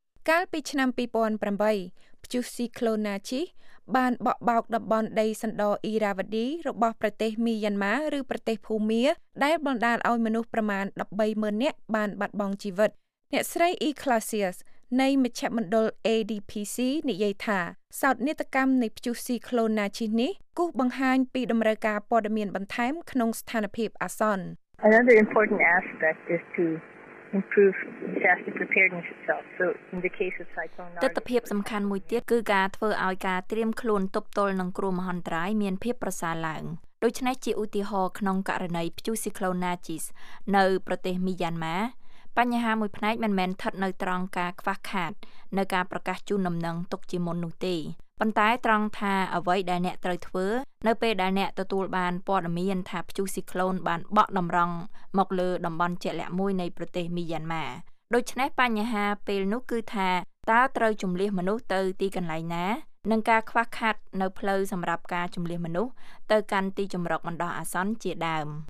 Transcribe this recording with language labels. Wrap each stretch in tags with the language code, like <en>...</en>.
<km>កាលពីឆ្នាំ2008ព្យុះស៊ីក្លូណាជីបានបក់បោកតំបន់ដីសណ្ដអ៊ីរ៉ាវឌីរបស់ប្រទេសមីយ៉ាន់ម៉ាឬប្រទេសភូមាដែលបណ្ដាលឲ្យមនុស្សប្រមាណ130,000នាក់បានបាត់បង់ជីវិតអ្នកស្រីអ៊ីក្លាសៀសនៃមជ្ឈមណ្ឌល ADPC និយាយថាសោតនាដកម្មនៃព្យុះស៊ីក្លូណាជីនេះគូសបង្ហាញពីតម្រូវការព័ត៌មានបន្ថែមក្នុងស្ថានភាពអាសន្ន</km> <en>Another important aspect is to improve disaster preparedness itself. So in the case of cyclone</en> <km>Nargis ទស្សនវិជ្ជាសំខាន់មួយទៀតគឺការធ្វើឲ្យការត្រៀមខ្លួនទប់ទល់នឹងគ្រោះមហន្តរាយមានភាពប្រសើរឡើងដូច្នេះជាឧទាហរណ៍ក្នុងករណីព្យុះស៊ីក្លូណាជីនៅប្រទេសមីយ៉ាន់ម៉ា បញ្ហាមួយផ្នែកមិនមែនស្ថិតនៅត្រង់ការខ្វះខាតនៅការប្រកាសជូនដំណឹងទុកជាមុននោះទេប៉ុន្តែត្រង់ថាអ្វីដែលអ្នកត្រូវធ្វើនៅពេលដែលអ្នកទទួលបានព័ត៌មានថាព្យុះស៊ីក្លូនបានបក់តម្រង់មកលើតំបន់ជាក់លាក់មួយនៃប្រទេសមីយ៉ាន់ម៉ាដូច្នេះបញ្ហាពេលនោះគឺថាតើត្រូវជម្លៀសមនុស្សទៅទីកន្លែងណានិងការខ្វះខាតនៅផ្លូវសម្រាប់ការជម្លៀសមនុស្សទៅកាន់ទីជម្រកបណ្ដោះអាសន្នជាដើម</km>